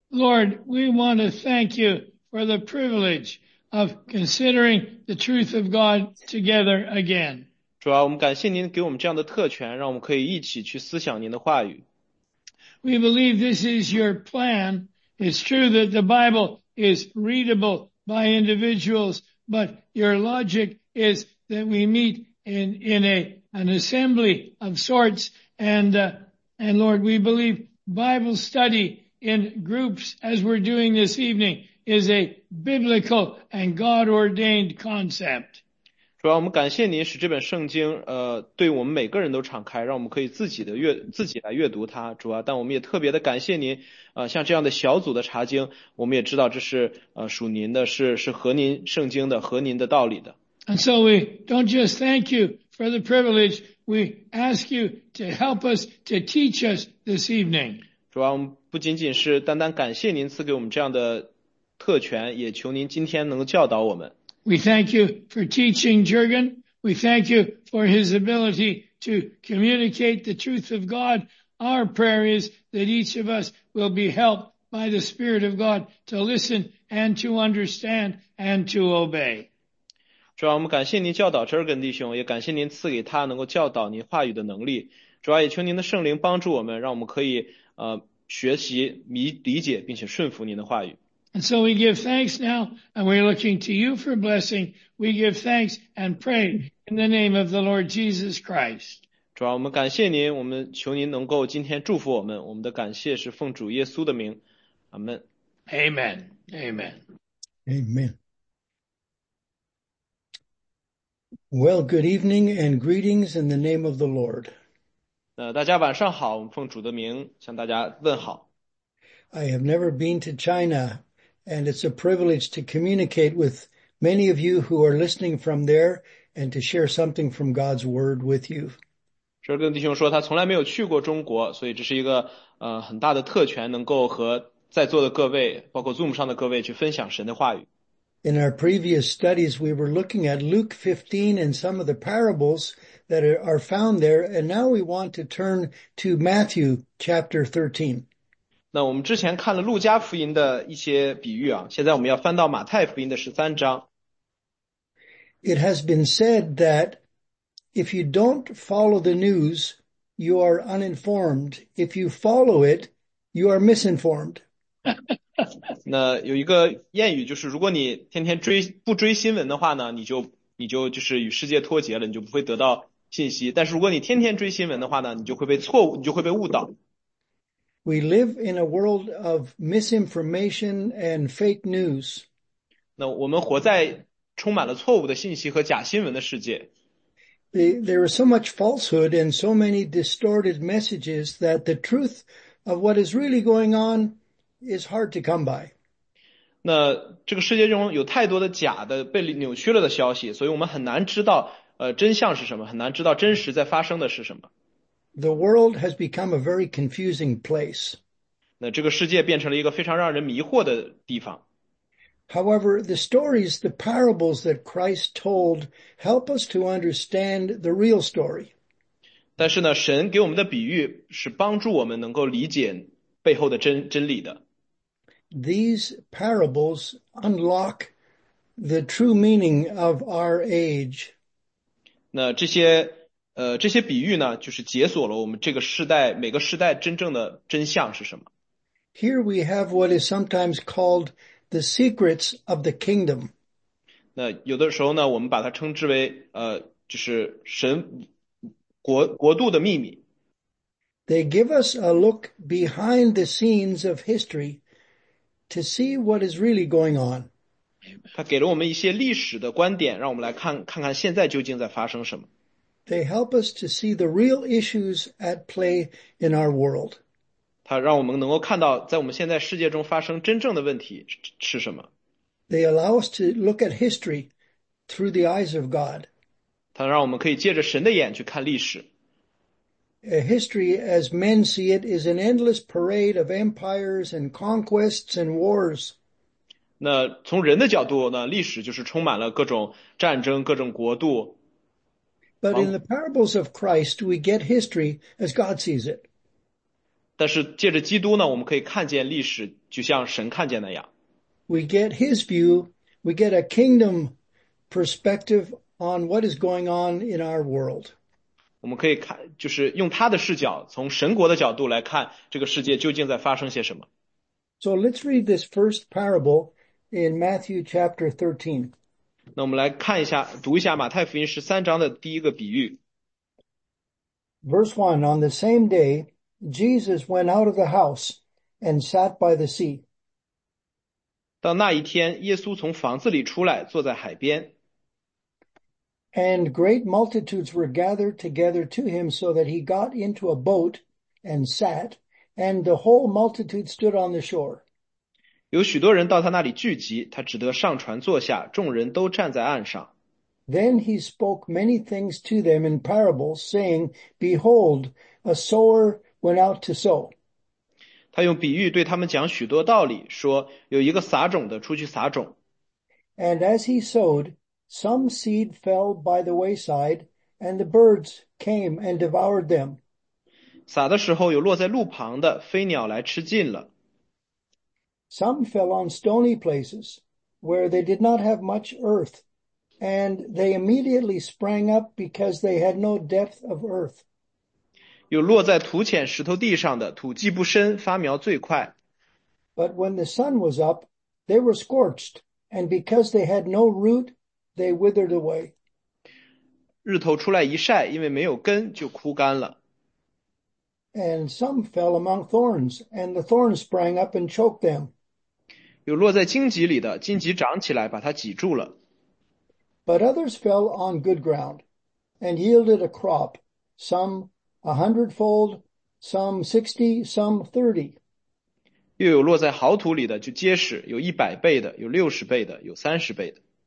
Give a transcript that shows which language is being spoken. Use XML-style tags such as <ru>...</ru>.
<en>Lord, we want to thank you for the privilege of considering the truth of God together again.</en> <zh>主啊，我们感谢您给我们这样的特权，让我们可以一起去思想您的话语。</zh> <en>We believe this is your plan. It's true that the Bible is readable by individuals, but your logic is that we meet in an assembly of sorts. And Lord, we believe Bible study in groups, as we're doing this evening, is a biblical and God-ordained concept.</en> <zh>主要我们感谢您使这本圣经对我们每个人都敞开，让我们可以自己来阅读它。主要但我们也特别的感谢您像这样的小组的查经，我们也知道这是属您的，是合您圣经的，合您的道理的。</zh> <en>And so we don't just thank you for the privilege, we ask you to help us, to teach us this evening.</en> <zh>主要我们不仅仅是单单感谢您赐给我们这样的特权，也求您今天能够教导我们。</zh> <en>We thank you for teaching Jurgen. We thank you for his ability to communicate the truth of God. Our prayer is that each of us will be helped by the Spirit of God to listen and to understand and to obey.</en> <zh>主要我们感谢您教导 Jurgen 弟兄，也感谢您赐给他能够教导您话语的能力。主要也求您的圣灵帮助我们，让我们可以学习理解并且顺服您的话语。</zh> <en>And so we give thanks now, and we're looking to you for blessing. We give thanks and pray in the name of the Lord Jesus Christ.</en> <zh>主啊，我们感谢您，我们求您能够今天祝福我们。我们的感谢是奉主耶稣的名，阿门。</zh> <en>Amen. Amen. Amen. Well, good evening and greetings in the name of the Lord.</en> <zh>大家晚上好，我们奉主的名向大家问好。</zh> <en>I have never been to China. And it's a privilege to communicate with many of you who are listening from there and to share something from God's word with you.</en> <zh>这跟弟兄说他从来没有去过中国，所以这是一个很大的特权，能够和在座的各位，包括 Zoom 上的各位去分享神的话语。</zh> <en>In our previous studies, we were looking at Luke 15 and some of the parables that are found there. And now we want to turn to Matthew chapter 13.</en> <zh>那我们之前看了路加福音的一些比喻啊，现在我们要翻到马太福音的13章。</zh> <en>It has been said that if you don't follow the news, you are uninformed. If you follow it, you are misinformed.</en> <zh>那有一个谚语就是，如果你天天不追新闻的话呢，你就是与世界脱节了，你就不会得到信息。但是如果你天天追新闻的话呢，你就会被错误，你就会被误导。</zh> <en>We live in a world of misinformation and fake news.</en> <zh>那我们活在充满了错误的信息和假新闻的世界。</zh> <en>There is so much falsehood and so many distorted messages that the truth of what is really going on is hard to come by.</en> <zh>那这个世界中有太多的假的被扭曲了的消息，所以我们很难知道真相是什么，很难知道真实在发生的是什么。</zh> <en>The world has become a very confusing place.</en> <zh>那这个世界变成了一个非常让人迷惑的地方。</zh> <en>However, the stories, the parables that Christ told help us to understand the real story.</en> <zh>但是呢，神给我们的比喻是帮助我们能够理解背后的真理的。</zh> <en>These parables unlock the true meaning of our age.</en> <zh>那这些比喻呢，就是解锁了我们这个世代，每个世代真正的真相是什么。</zh> <en>Here we have what is sometimes called the secrets of the kingdom.</en> <zh>那有的时候呢，我们把它称之为就是神国度的秘密。</zh> <en>They give us a look behind the scenes of history to see what is really going on.</en> <zh>他给了我们一些历史的观点，让我们来看看现在究竟在发生什么。</zh> <en>They help us to see the real issues at play in our world.</en> <zh>它让我们能够看到在我们现在世界中发生真正的问题是什么。</zh> <en>They allow us to look at history through the eyes of God.</en> <zh>它让我们可以借着神的眼去看历史。</zh> <en>A history as men see it is an endless parade of empires and conquests and wars.</en> <zh>那从人的角度呢，历史就是充满了各种战争，各种国度。</zh> <en>But in the parables of Christ, we get history as God sees it.</en> <zh>但是借着基督呢，我们可以看见历史，就像神看见那样。</zh> <en>We get his view, we get a kingdom perspective on what is going on in our world.</en> <zh>我们可以看，就是用他的视角，从神国的角度来看这个世界究竟在发生些什么。</zh> <en>So let's read this first parable in Matthew chapter 13.</en> <zh>那我们来看一下，读一下马太福音13章的第一个比喻。</zh> <en>Verse 1, on the same day, Jesus went out of the house and sat by the sea.</en> <zh>到那一天，耶稣从房子里出来，坐在海边。</zh> <en>And great multitudes were gathered together to him so that he got into a boat and sat, and the whole multitude stood on the shore.</en> <zh>有许多人到他那里聚集，他只得上船坐下，众人都站在岸上。</zh> <en>Then he spoke many things to them in parables, saying, Behold, a sower went out to sow.</en> <zh>他用比喻对他们讲许多道理，说有一个撒种的出去撒种。</zh> <en>And as he sowed, some seed fell by the wayside, and the birds came and devoured them.</en> <zh>撒的时候有落在路旁的，飞鸟来吃尽了。</zh> <en>Some fell on stony places, where they did not have much earth. And they immediately sprang up because they had no depth of earth.</en> <zh>有落在土浅石头地上的，土既不深，发苗最快。</zh> <en>But when the sun was up, they were scorched, and because they had no root, they withered away.</en> <zh>日头出来一晒，因为没有根，就枯干了。</zh> <en>And some fell among thorns, and the thorns sprang up and choked them.</en> <zh>有落在荆棘里的，荆棘长起来，把它挤住了。</zh> <en>But others fell on good ground and yielded a crop, some a hundredfold, some 60, some 30.</en> <zh>又有落在好土里的，就结实，有100倍的，有60倍的，有30倍的。</zh>